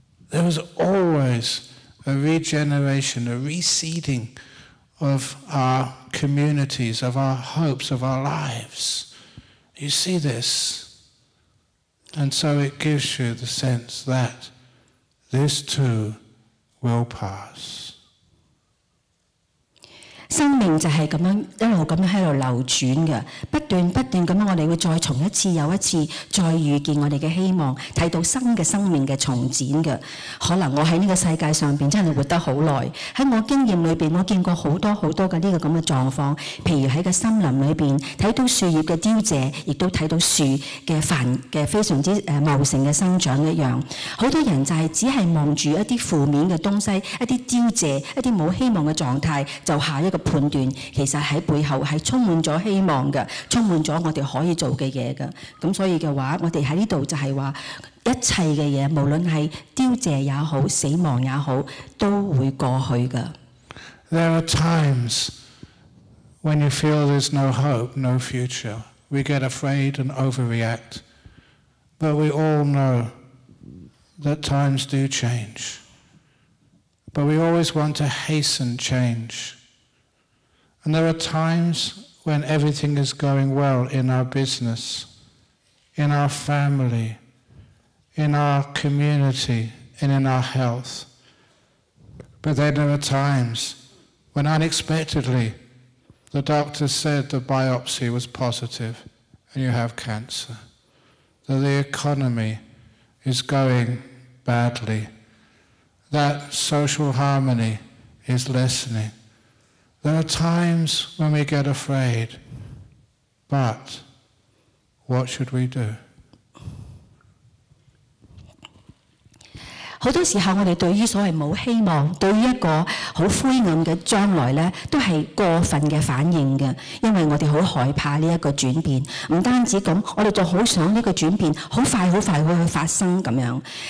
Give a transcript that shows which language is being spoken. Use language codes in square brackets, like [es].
[en] There is always a regeneration, a reseeding of our communities, of our hopes, of our lives. You see this, and so it gives you the sense that this too will pass. [zh] 生命就是这样一路这样在流转的，不断地我们会再重一次又一次再遇见我们的希望，看到新的生命的重展的。可能我在这个世界上真的活得很久，在我经验里面我见过很多很多的这个状况，譬如在森林里面看到树叶的凋谢，也都看到树的繁的非常之茂盛的生长一样。很多人就是只是望着一些负面的东西，一些凋谢，一些没有希望的状态，就下一个判断，其实在背后是充满了希望的，充满了我们可以做的事的。所以的话，我们在这里就是说，一切的事，无论是凋谢也好，死亡也好，都会过去的。 [en] There are times When you feel there's no hope, no future, we get afraid and overreact. But we all know that times do change. But we always want to hasten change. And there are times when everything is going well in our business, in our family, in our community, and in our health. But then there are times when unexpectedly the doctor said the biopsy was positive and you have cancer. That the economy is going badly. That social harmony is lessening. There are times when we get afraid, but what should we do? [zh] 很多時候我們對於所謂沒有希望，對於一個很灰暗的將來呢，都是過分的反應的，因為我們很害怕這個轉變。不單止這樣，我們就很想這個轉變很快很快會發生這樣。